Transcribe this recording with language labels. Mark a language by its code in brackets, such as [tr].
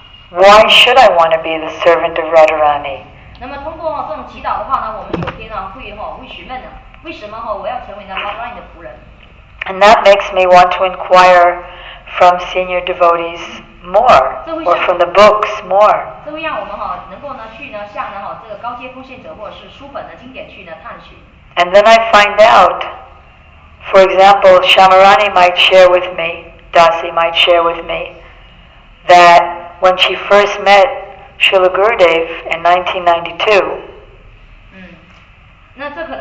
[en] Why should I want to be the servant of Radharani? [zh] 那么通过这种祈祷的话呢，我们首先呢会询问呢，为什么我要成为呢 Radharani 的仆人？ [en] And that makes me want to inquire from senior devotees more, or from the books more. [zh] 这会让我们能够呢去呢向呢这个高阶奉献者或是书本的经典去呢探寻。 [en] And then I find out, for example, Shamarani might share with me, Dasi might share with me, that when she first met Srila Gurudev in 1992,